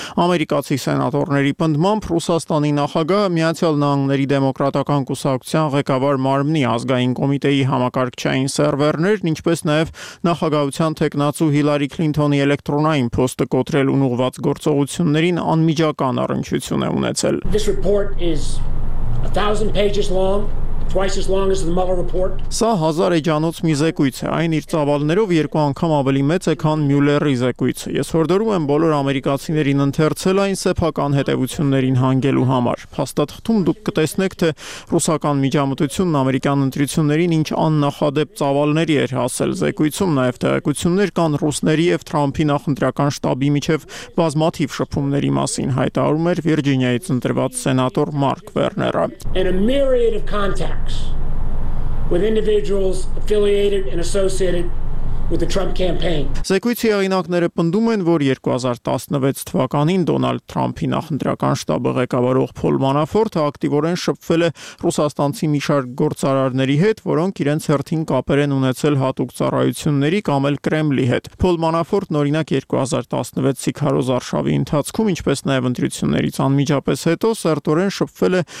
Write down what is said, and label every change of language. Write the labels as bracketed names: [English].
[Armenian] Ամերիկացի սենատորների պնդմամբ Ռուսաստանի նախագահը Միացյալ Նահանգների դեմոկրատական կուսակցության ղեկավար մարմնի ազգային կոմիտեի համակարգչային սերվերն ինչպես նաև նախագահության թեկնածու Հիլարի Քլինթոնի էլեկտրոնային փոստը կոտրել ու ուղված գործողություններին անմիջական առնչություն է ունեցել։ [English] This report is 1000 pages long. Twice as long as the Mueller report. [Armenian] Սա 1000 էջանոց մի զեկույց է, այն իր ծավալներով 2 անգամ ավելի մեծ է, քան Մյուլերի զեկույցը։ Ես հորդորում եմ բոլոր ամերիկացիներին ընթերցել այն սեփական հետևություններին հանգելու համար։ Փաստաթղթում դուք կտեսնեք, թե ռուսական միջամտությունն ամերիկյան ընտրություններին ինչ աննախադեպ ծավալների էր հասել զեկույցում, նաև տեղեկություններ կան ռուսների եւ Թրամփի նախընտրական շտաբի միջև բազմաթիվ շփումների մասին, հայտարարում էր Վիրջինիայից ընտրված սենատոր Մարկ Վերները։ [English] With individuals affiliated and associated with the Trump campaign. [Armenian] Զեկույցի հեղինակները պնդում են, որ 2016 թվականին Դոնալդ Թրամփի նախընտրական շտաբը ղեկավարող Փոլ Մանաֆորտը ակտիվորեն շփվել է ռուսաստանցի մի շարք գործարարների հետ, որոնք իրենց հերթին կապեր են ունեցել հատուկ ծառայությունների կամ էլ Կրեմլի հետ։ Փոլ Մանաֆորտն օրինակ 2016-ի քարոզ արշավի ընթացքում, ինչպես նաև ընտրություններից անմիջապես հետո, սերտորեն շփվել է